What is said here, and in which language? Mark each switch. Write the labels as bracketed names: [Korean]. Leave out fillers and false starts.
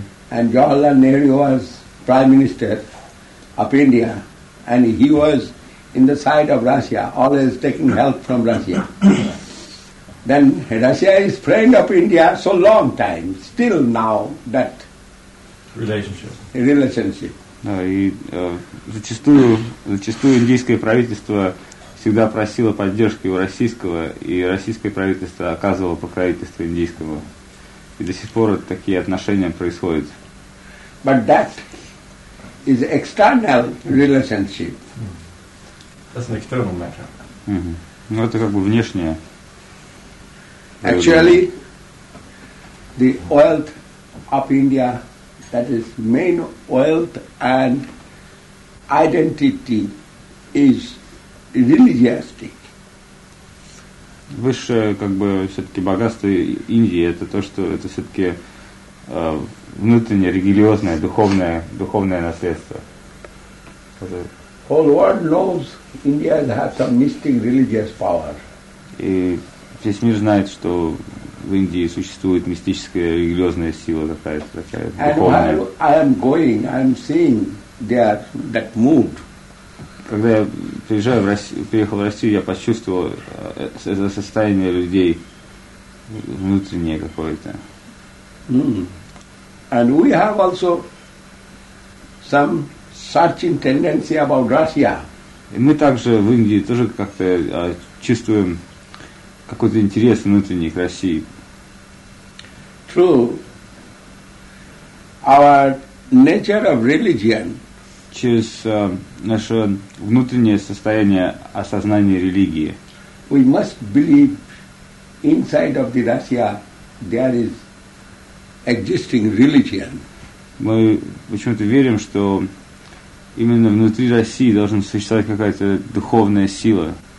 [English] And Jawaharlal Nehru was Prime Minister of India, and he was in the side of Russia, always taking help from Russia. Then Russia is friend of India so long time, still now that relationship. [Russian] Да, и зачастую индийское правительство всегда просило поддержки у российского, и российское правительство оказывало покровительство индийскому. И до сих пор такие отношения происходят. [English] But that is external relationship. That's an external matter. [Russian] Mm-hmm. Ну, это как бы внешнее. [English] Actually, the wealth of India, that is main wealth and identity, is religiastic. [Russian] Высшее, как бы, все-таки богатство Индии, это то, что это все-таки внутреннее, религиозное, духовное наследство. [English] Whole world knows India has some mystic religious power. [Russian] И весь мир знает, что в Индии существует мистическая религиозная сила какая-то такая, духовная. [English] And I am going, I am seeing there that mood. [Russian] Когда я приехал в Россию, я почувствовал это состояние людей внутреннее какое-то. Mm. [English] And we have also some searching tendency about Russia. [Russian] И мы также в Индии тоже как-то чувствуем какой-то интерес внутренний к России. [English] True. Our nature of religion. [Russian] Через наше внутреннее состояние осознания религии. [English] We must believe inside of the Russia there is existing religion. [Russian] Мы почему-то верим, что именно внутри России должна существовать какая-то духовная сила.